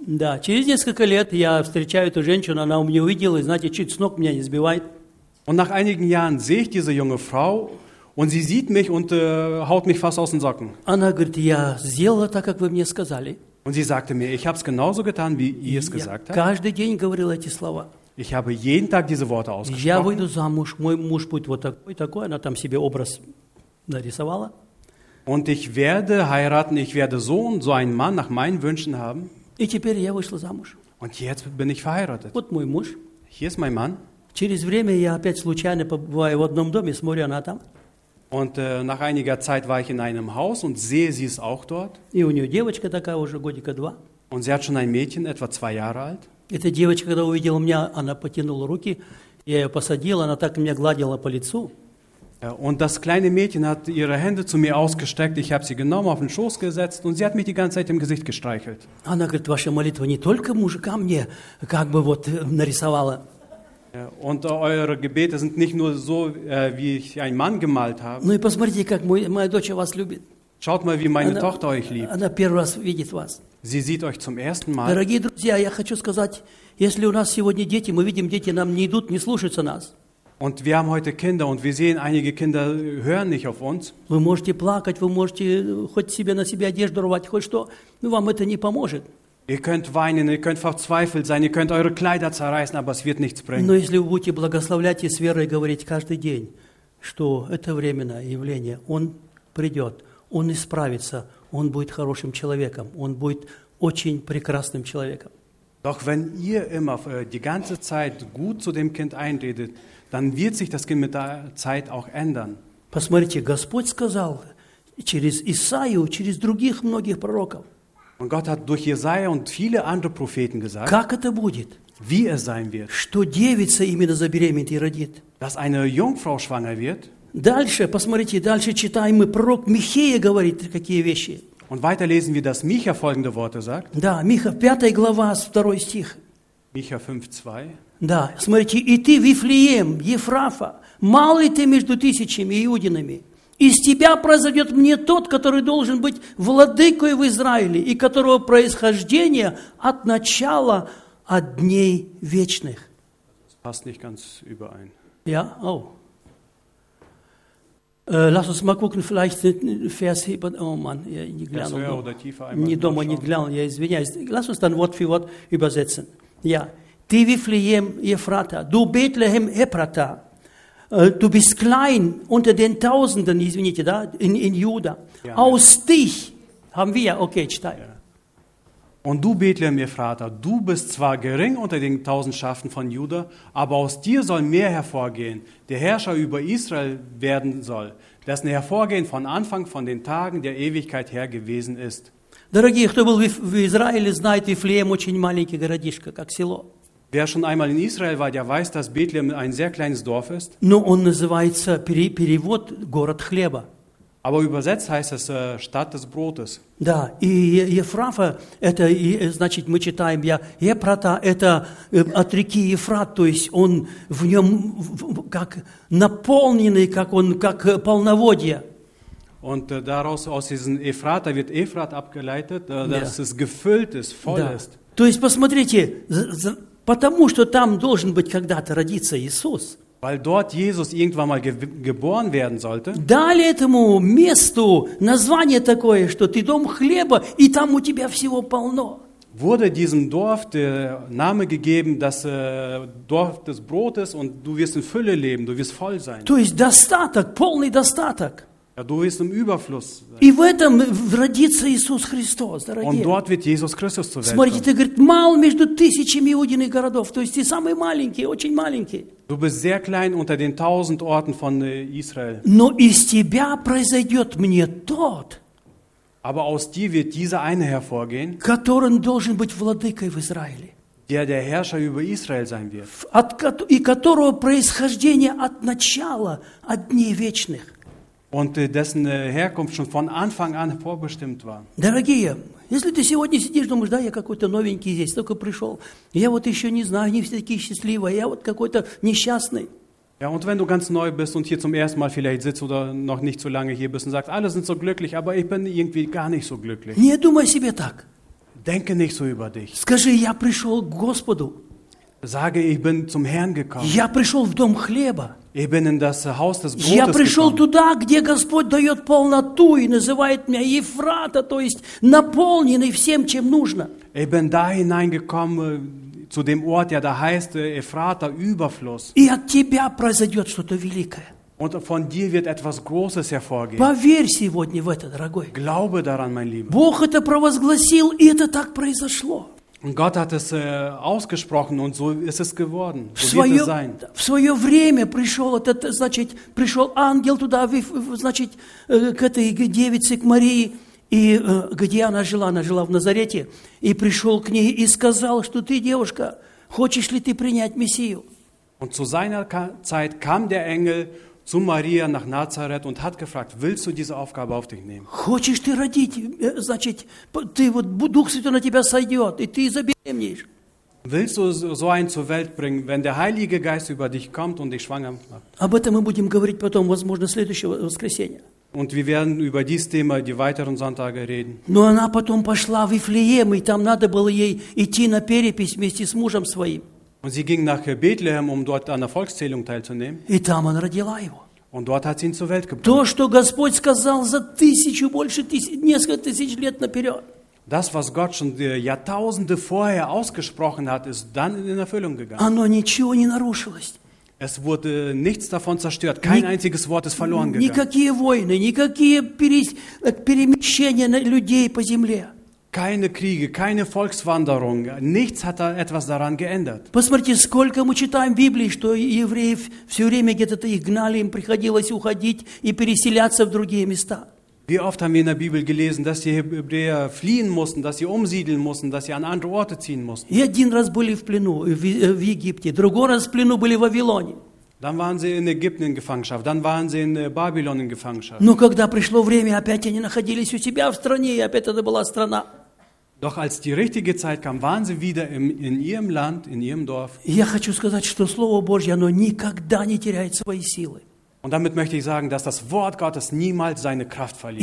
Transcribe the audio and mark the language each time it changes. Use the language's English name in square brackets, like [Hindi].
[Russian] Да, через несколько лет я встречаю эту женщину, она у меня увидела, и знаете, чуть с ног меня не сбивает. [German] Und nach einigen Jahren sehe ich diese junge Frau, und sie sieht mich und haut mich fast aus den Socken. [Russian] Она говорит, я сделала так, как вы мне сказали. [German] Und sie sagte mir, ich habe es genauso getan, wie ihr es gesagt habt. [Russian] Я каждый день говорил эти слова. [German] Ich habe jeden Tag diese Worte ausgesprochen. [Russian] Я выйду замуж, мой муж будет вот такой, такой. Она там себе образ нарисовала. [German] Und ich werde heiraten, ich werde so und so einen Mann nach meinen Wünschen haben. [Russian] И теперь я вышла замуж. [German] Und jetzt bin ich verheiratet. [Russian] Вот мой муж. [German] Hier ist mein Mann. [Russian] Через время я опять случайно побываю в одном доме, смотрю, она там. [German] Und nach einiger Zeit war ich in einem Haus und sehe, sie ist auch dort. [Russian] И у нее девочка такая уже годика два. [German] Und sie hat schon ein Mädchen, etwa zwei Jahre alt. [Russian] Эта девочка, когда увидела меня, она потянула руки, я ее посадила, она так меня гладила по лицу. [German] Und das kleine Mädchen hat ihre Hände zu mir ausgestreckt, ich habe sie genommen, auf den Schoß gesetzt und sie hat mich die ganze Zeit im Gesicht gestreichelt. [Russian] Она говорит, ваша молитва не только мужика мне как бы вот нарисовала. [German] Und eure Gebete sind nicht nur so, wie ich einen Mann gemalt habe. [Russian] Ну и посмотрите, как моя дочь вас любит. [German] Schaut mal, wie meine Tochter euch liebt. [Russian] Она первый раз видит вас. [German] Sie sieht euch zum ersten Mal. [Russian] Дорогие друзья, я хочу сказать, если у нас сегодня дети, мы видим, дети нам не идут, не слушаются нас. [German] Und wir haben heute Kinder und wir sehen, einige Kinder hören nicht auf uns. [Russian] Вы можете плакать, вы можете хоть себе на себе одежду рвать, хоть что, но вам это не поможет. [German] Ihr könnt weinen, ihr könnt verzweifelt sein, ihr könnt eure Kleider zerreißen, aber es wird nichts bringen. [Russian] Но если вы будете благословлять и с верой говорить каждый день, что это временное явление, он придет, он исправится, он будет хорошим человеком, он будет очень прекрасным человеком. [German] Doch wenn ihr immer die ganze Zeit gut zu dem Kind einredet, dann wird sich das Kind mit der Zeit auch ändern. [Russian] Посмотрите, Господь сказал через Исаию, через других многих пророков. [German] Und Gott hat durch Jesaja und viele andere Propheten gesagt, [Russian] как это будет, [German] wie es sein wird, [Russian] что девица именно забеременеет и родит, [German] dass eine Jungfrau schwanger wird. [Russian] Дальше, посмотрите, дальше читаем, мы пророк Михея говорит какие вещи. [German] Und weiter lesen wir, dass Micha folgende Worte sagt. [Russian] Да, Micha, 5 глава, 2 стих. [German] Micha 5:2. [Russian] Да, смотрите, и ты, Вифлеем, Ефрафа, малый ты между тысячами иудинами, из тебя произойдет мне тот, который должен быть владыкой в Израиле, и которого происхождение от начала, от дней вечных. [German] Passt nicht ganz überein. Ja, oh. Lass uns mal gucken, vielleicht Vers 7. Oh Mann, ja, ich glaube, das höher oder tiefer einmal. Nie dumm, nie glaub, ja, [Russian] извиняюсь. [German] Lass uns dann Wort für Wort übersetzen. Ja. [Russian] Ты Вифлеем Ефрата, ты Бетлехем Эпрата, ты [German] bist klein unter den Tausenden, [Russian] извините, да, [German] in Juda. Aus dich haben wir, okay, [Russian] читай. [German] Ja. Und du Bethlehem Ephrata, du bist zwar gering unter den Tausendschaften von Juda, aber aus dir soll mehr hervorgehen, der Herrscher über Israel werden soll, dessen Hervorgehen von Anfang von den Tagen der Ewigkeit her gewesen ist. [Russian] Дорогие, кто был в Израиле, знает, Вифлеем очень маленький городишко, как село. [German] Wer schon einmal in Israel war, der weiß, dass Bethlehem ein sehr kleines Dorf ist. [Russian] Но он называется перевод город хлеба. [German] Aber übersetzt heißt es Stadt des Brotes. [Russian] Да, и Ефрафа, это, значит, мы читаем, я Ефрата, это от реки Ефрат, то есть он в нем как наполненный, как он как полноводье. [German] Und daraus aus diesem Ephrata wird Ephrat abgeleitet, dass es gefüllt ist, voll ist. [Russian] То есть посмотрите, потому что там должен быть когда-то родиться Иисус. [German] Weil dort Jesus irgendwann mal geboren werden sollte. [Russian] Дали этому месту название такое, что ты дом хлеба, и там у тебя всего полно. [German] Wurde diesem Dorf der Name gegeben, das Dorf des Brotes, und du wirst in Fülle leben, du wirst voll sein. [Russian] То есть достаток, полный достаток. [German] Ja, du wirst im Überfluss. [Russian] И в этом родится Иисус Христос, дорогие. [German] Und dort wird Jesus Christus zur Welt. [Russian] Смотрите, ты говоришь, мал между тысячами иудейских городов, то есть ты самый маленький, очень маленький. [German] Du bist sehr klein unter den tausend Orten von Israel. [Russian] Но из тебя произойдет мне тот, [German] aber aus dir wird dieser eine hervorgehen, [Russian] который должен быть владыкой в Израиле, [German] der Herrscher über Israel sein wird, [Russian] и которого происхождение от начала, от дней вечных. [German] Und dessen Herkunft schon von Anfang an vorbestimmt war. [Russian] Дорогие, если ты сегодня сидишь, думаешь, да, я какой-то новенький здесь, только пришел, я вот еще не знаю, не все такие счастливые, я вот какой-то несчастный. [German] Ja, und wenn du ganz neu bist und hier zum ersten Mal vielleicht sitzt oder noch nicht so lange hier bist und sagst, alle sind so glücklich, aber ich bin irgendwie gar nicht so glücklich. [Russian] Не думай себе так. [German] Denke nicht so über dich. [Russian] Скажи, я пришел к Господу. [German] Sage, ich bin zum Herrn gekommen. [Russian] Я пришел в дом хлеба. [German] Ich bin in das Haus des Brotes gekommen. [Russian] Я пришел [German] gekommen. [Russian] Туда, где Господь дает полноту и называет меня Ефрата, то есть наполненный всем, чем нужно. [German] Ich bin da hineingekommen, zu dem Ort, ja, da heißt Ephrata, Überfluss. [Russian] И от тебя произойдет что-то великое. [German] Und von dir wird etwas Großes hervorgehen. [Russian] Поверь сегодня в это, дорогой. [German] Glaube daran, mein Lieber. [Russian] Бог это провозгласил, и это так произошло. [German] Und Gott hat es ausgesprochen, und so ist es geworden. So [Russian] в свое, [German] wird es sein. [Russian] В свое время пришел, этот, значит, пришел ангел туда, значит, к этой девице, к Марии, и где она жила в Назарете, и пришел к ней и сказал, что ты, девушка, хочешь ли ты принять Мессию? [German] Und zu seiner Zeit kam der Engel zu Maria nach Nazareth und hat gefragt, willst du diese Aufgabe auf dich nehmen? [Russian] Хочешь ты родить, значит, ты вот Дух Святой на тебя сойдет, и ты забеременеешь. [German] Willst du so einen zur Welt bringen, wenn der Heilige Geist über dich kommt und dich schwanger macht? [Russian] Об этом мы будем говорить потом, возможно, следующего воскресенья. [German] Und wir werden über dieses Thema die weiteren Sonntage reden. [Russian] Но она потом пошла в Вифлеем, и там надо было ей идти на перепись вместе с мужем своим. [German] Und sie ging nach Bethlehem, um dort an der Volkszählung teilzunehmen. [Russian] И там она родила его. [German] Und dort hat sie ihn zur Welt gebracht. [Russian] То, что Господь сказал за тысячу, больше тысяч, несколько тысяч лет наперед. [German] Das, was Gott schon Jahrtausende vorher ausgesprochen hat, ist dann in Erfüllung gegangen. [Russian] Оно ничего не нарушилось. [German] Es wurde nichts davon zerstört, kein einziges Wort ist verloren gegangen. [Russian] Никакие войны, никакие перемещения людей по земле. [German] Keine Kriege, keine Volkswanderung, nichts hat etwas daran geändert. [Russian] Посмотрите, сколько мы читаем в Библии, что евреев все время где-то их гнали, им приходилось уходить и переселяться в другие места. [German] Wie oft haben wir in der Bibel gelesen, dass die Hebräer fliehen mussten, dass sie umsiedeln mussten, dass sie an andere Orte ziehen mussten. [Russian] И один раз были в плену в Египте, другой раз в плену были в Вавилоне. [German] Dann waren sie in Ägypten in Gefangenschaft, dann waren sie in Babylon in Gefangenschaft. [Russian] Но когда пришло время, опять они находились у себя в стране, и опять это была страна. [German] Doch als die richtige Zeit kam, waren sie wieder in ihrem Land, in ihrem Dorf. [Russian] Я хочу сказать, что слово Божье, оно никогда не теряет свои силы. [German] Und damit möchte ich sagen, dass das Wort Gottes niemals seine Kraft verliert.